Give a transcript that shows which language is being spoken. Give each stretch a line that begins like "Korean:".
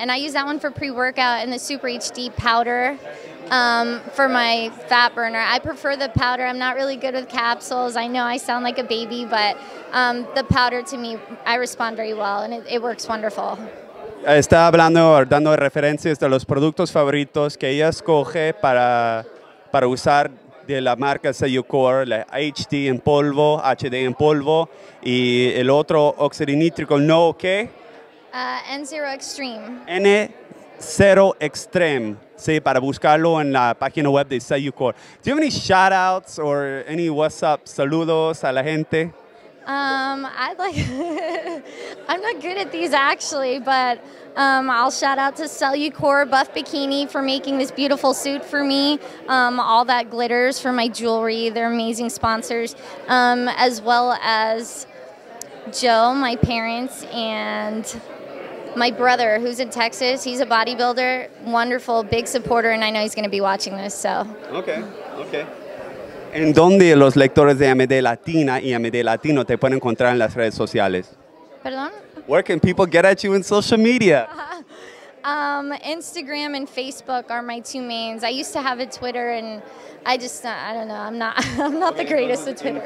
English: And I use that one for pre-workout and the Super HD powder. For my fat burner. I prefer the powder. I'm not really good with capsules. I know I sound like a baby, but the powder to me, I respond very well, and it works wonderful.
Spanish: Está hablando, dando referencias de los productos favoritos que ella escoge para usar de la marca Seyucor, la HD en polvo, HD en polvo, y el otro oxidinítrico, ¿no qué?
English: N0 Extreme. N0 Extreme.
Spanish: Sí, para buscarlo en la página web de Seyucor.
English: Do you have any shout outs or any WhatsApp
Spanish: saludos a la gente?
English: I'm not good at these actually, but I'll shout out to Seyucor Buff Bikini for making this beautiful suit for me. All that glitters for my jewelry. They're amazing sponsors. As well as Joe, my parents, and my brother, who's in Texas, he's a bodybuilder, wonderful, big supporter, and I know he's going to be watching this, so. Okay.
Spanish: ¿En dónde los lectores de MD Latina y MD Latino te pueden encontrar en las redes sociales? Perdón?
English: Where can people get at you in social media? Instagram and Facebook are my two mains. I used to have a Twitter, and I just, I don't know, I'm not the greatest at Twitter.